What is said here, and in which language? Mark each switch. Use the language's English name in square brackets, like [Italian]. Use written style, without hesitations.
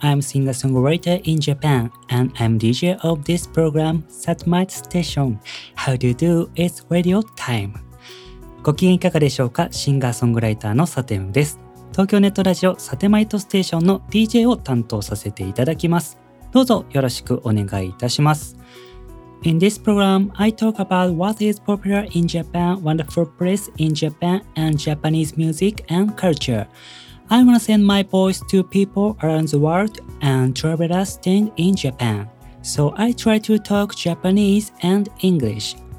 [English] I'm singer-songwriter in Japan, and I'm DJ of this program, Satmite Station. How do you do? It's radio time. [Japanese] ご機嫌いかがでしょうか？シンガーソングライターのサテムです。東京ネットラジオサテマイトステーションの DJ を担当させていただきます。どうぞよろしくお願いいたします。 [English] In this program, I talk about what is popular in Japan, wonderful place in Japan, and Japanese music and culture. I'm gonna send my voice to people around the world and travelers staying in Japan. So I try to talk Japanese and English.